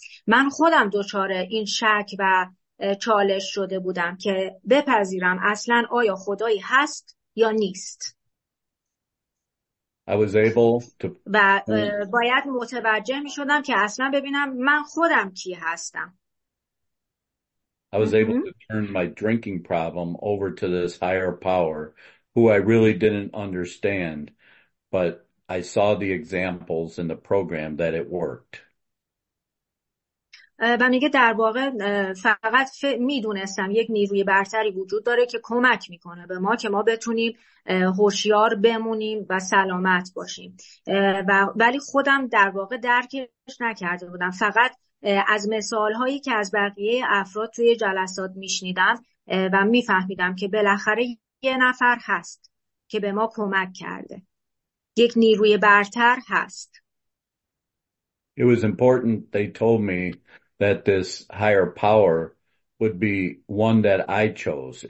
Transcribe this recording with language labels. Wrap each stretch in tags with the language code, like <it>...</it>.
<fa>من خودم دچار این شک و چالش شده بودم که بپذیرم اصلا آیا خدایی هست یا نیست.</fa> <en>I was able to</en> <fa>و باید متوجه می شدم که اصلا ببینم من خودم کی هستم.</fa> <en>I was able to turn my drinking problem over to this higher power who I really didn't understand, but I saw the examples in the program that it worked.</en> <fa>و میگه در واقع فقط میدونستم یک نیروی برتری وجود داره که کمک میکنه به ما که ما بتونیم هوشیار بمونیم و سلامت باشیم، ولی خودم در واقع درکش نکرده بودم. فقط از مثال هایی که از بقیه افراد توی جلسات میشنیدم و میفهمیدم که بالاخره یه نفر هست که به ما کمک کرده، یک نیروی برتر هست.</fa> <en>It was important they told me that this higher power would be one that I chose.</en>